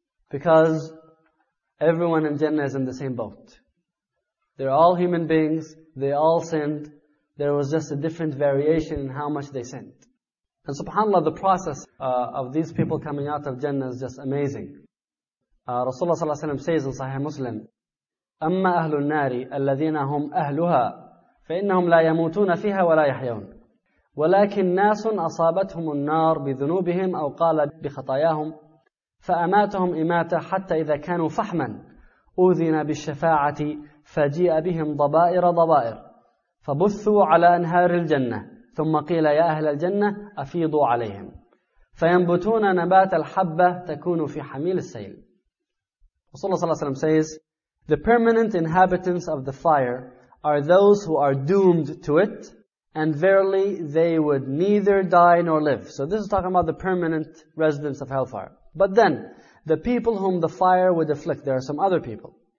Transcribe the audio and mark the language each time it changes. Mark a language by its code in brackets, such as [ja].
[en] Because everyone in Jannah is in the same boat. They're all human beings, they all sinned, there was just a different variation in how much they sinned. And subhanAllah, the process of these people coming out of Jannah is just amazing. Rasulullah sallallahu alayhi wa sallam says in Sahih Muslim, [ar] أَمَّا أَهْلُ النَّارِ الَّذِينَ هُمْ أَهْلُهَا فَإِنَّهُمْ لَا يَمُوتُونَ فِيهَا وَلَا يَحْيَوْنَ وَلَكِنْ نَاسٌ أَصَابَتْهُمُ النَّارِ بِذُنُوبِهِمْ أَوْ قَالَ بِخَطَايَاهُمْ فَأَمَاتَهُمْ إِمَاتَ حَتَّى إِذَا كَانُوا فَحْمًا أُوذِنَ بِالشَّفَاعَةِ فَجِئَ بِهِمْ ضَبَائِرَ ضَبَائِرَ فَبُثُّوا عَلَى أَنْهَارِ الْجَنَّةِ ثُمَّ قِيلَ يَا أَهْلَ الْجَنَّةِ أَفِيضُوا عَلَيْهِمْ فَيَنْبُتُونَ نَبَاتَ الْحَبَّةِ تَكُونُ فِي حَمِيلِ السَّيْلِ. [en] Rasulullah sallallahu alayhi wa sallam says, the permanent inhabitants of the fire are those who are doomed to it, and verily they would neither die nor live. So this is talking about the permanent residents of hellfire. But then, the people whom the fire would afflict, there are some other people.